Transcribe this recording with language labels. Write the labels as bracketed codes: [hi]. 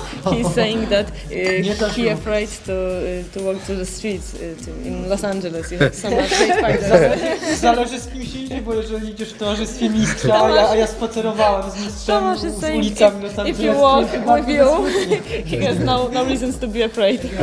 [en] He's saying that he afraid to walk to the streets in Los Angeles. You have so much great fighters. [pl] Zależy z kim się idzie, bo jeżeli idziesz w towarzystwie mistrza, a ja spacerowałem z mistrzem z ulicami Los Angeles. [en] If you walk with you, he has no reasons to be afraid.